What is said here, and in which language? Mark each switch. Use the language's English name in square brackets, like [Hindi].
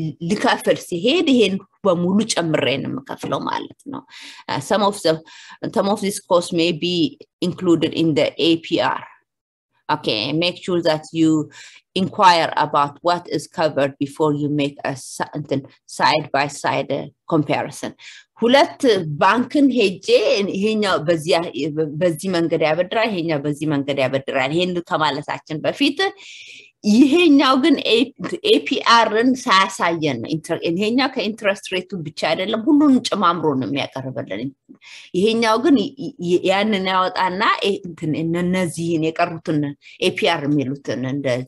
[Amharic] ልከፍል ሲሄድ ይሄን በሙሉ ጨምሬ ነው የምከፍለው ማለት ነው። [English] some of this cost may be included in the APR. Okay, make sure that you inquire about what is covered before you make a certain side-by-side comparison. [Amharic] ሁለት ባንክን ሄጄ ይሄኛው በዚህ መንገድ ያበድራል፣ ይሄኛው በዚህ መንገድ ያበድራል፣ ይሄን ከማለታችን በፊት ይሄኛው ግን APR-ን ሳያሳየን ይሄኛው ከኢንትረስት ሬቱ ብቻ አይደለም ሁሉንም ጨማምሮ ነው የሚያቀርበልን። ይሄኛው ግን ያንን ያወጣና እነዚህን የቀሩትን APR የሚሉትን እንደ